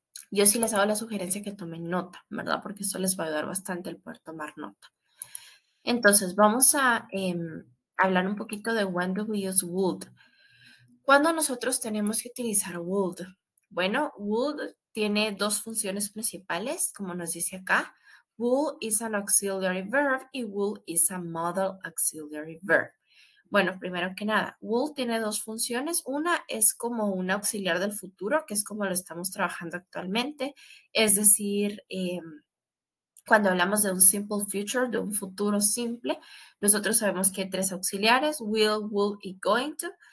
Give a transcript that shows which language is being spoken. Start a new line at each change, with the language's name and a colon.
Spanish: Yo sí les hago la sugerencia que tomen nota, ¿verdad? Porque eso les va a ayudar bastante el poder tomar nota. Entonces, vamos a hablar un poquito de
English: when do we use would.
Spanish: ¿Cuándo nosotros tenemos que utilizar would? Bueno, would tiene dos funciones principales, como nos dice acá.
English: Will is an auxiliary verb y will is a modal auxiliary verb.
Spanish: Bueno, primero que nada, will tiene dos funciones. Una es como un auxiliar del futuro, que es como lo estamos trabajando actualmente. Es decir, cuando hablamos de un simple future, de un futuro simple, nosotros sabemos que hay tres auxiliares, will y going to.